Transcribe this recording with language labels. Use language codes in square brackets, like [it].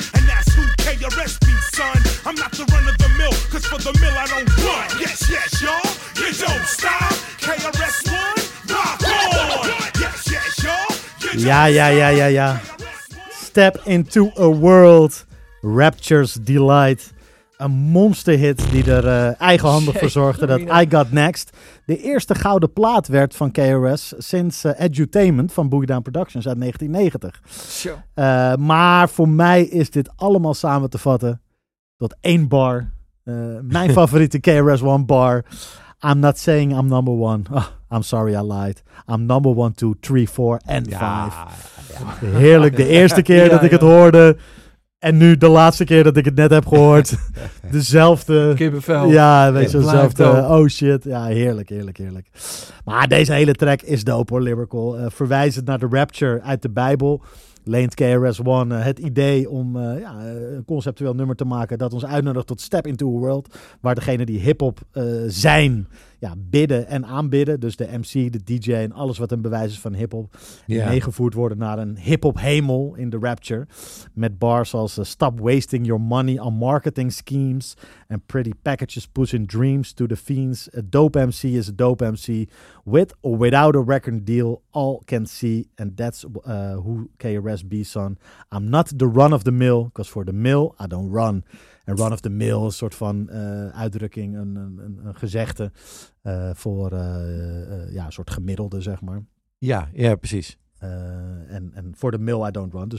[en] And that's who KRS be, son. I'm not the run of the mill, cause for the mill I don't run. Yes, yes, y'all, you don't stop. KRS-One, rock on. Yes, yes, y'all, you don't stop. Yeah, yeah, yeah, Step into a world, Rapture's Delight. [nl] Een monsterhit die er eigenhandig voor zorgde dat I Got Next de eerste gouden plaat werd van KRS sinds Edutainment van Boogie Down Productions uit 1990. [en] Sure. [nl] Maar voor mij is dit allemaal samen te vatten tot één bar. Mijn favoriete KRS-One bar. [en] I'm not saying I'm number one. Oh, I'm sorry I lied. I'm number one, two, three, four and five. [nl] Ja. Heerlijk, de eerste keer dat ik het hoorde. En nu de laatste keer dat ik het net heb gehoord. Dezelfde. Kippenvel. Ja, weet je, dezelfde. [en] Oh shit. [nl] Ja, heerlijk, heerlijk, heerlijk. Maar deze hele track is dope hoor, lyrical. Verwijzend naar de rapture uit de Bijbel. Leent KRS-One het idee om een conceptueel nummer te maken dat ons uitnodigt tot Step Into a World. Waar degene die hip-hop zijn, bidden en aanbidden. Dus de MC, de DJ en alles wat een bewijs is van hip-hop. [en] Yeah. [nl] Meegevoerd worden naar een hip-hop hemel in The Rapture. Met bars als [en] stop wasting your money on marketing schemes. En pretty packages pushing dreams to the fiends. A dope MC is a dope MC. With or without a record deal, all can see. And that's who KRS be, son. I'm not the run of the mill, because for the mill, I don't run. [nl] En [en] run of the mill, [nl] een soort van uitdrukking, een gezegde voor een soort gemiddelde, zeg maar. Ja, ja, precies. [en] En for the mill, I don't run.